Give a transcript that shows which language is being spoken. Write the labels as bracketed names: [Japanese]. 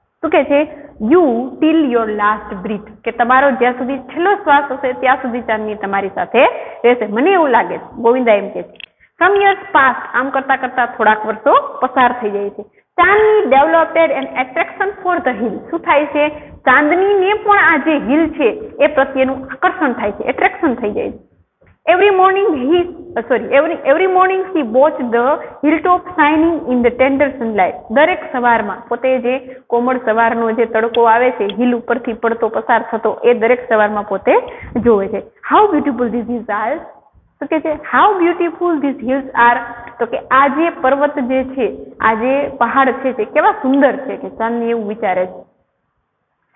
[Gujarati] શું કે છે, [English] you till your last breath, [Gujarati] કે તમારો જ્યાં સુધી છેલ્લો શ્વાસ હશે ત્યાં સુધી ચાંદની તમારી સાથે રહેશે. મને એવું લાગે છે, ગોવિંદા એમ કે છે. [English] some years past, [Gujarati] આમ કરતા કરતા થોડાક વર્ષો પસાર થઈ જાય છે. [English] Chandni developed an attraction for the hill. [Gujarati] શું થાય છે, ચાંદનીને પણ આ જે હિલ છે એ પ્રત્યેનું આકર્ષણ થાય છે, એટ્રેક્શન થઈ જાય છે. [English] Every morning she watched the hilltop shining in the tender sunlight. [Gujarati] દરેક સવારમાં પોતે જે કોમળ સવારનો જે તડકો આવે છે હિલ ઉપરથી પડતો પસાર થતો, એ દરેક સવારમાં પોતે જોવે છે. [English] How beautiful these hills are. [Gujarati] તો કે છે, [English] How beautiful these hills are. [Gujarati] તો કે આ જે પર્વત જે છે, આ જે પહાડ છે, તે કેવા સુંદર છે, કે ચાંદની એવું વિચારે છે.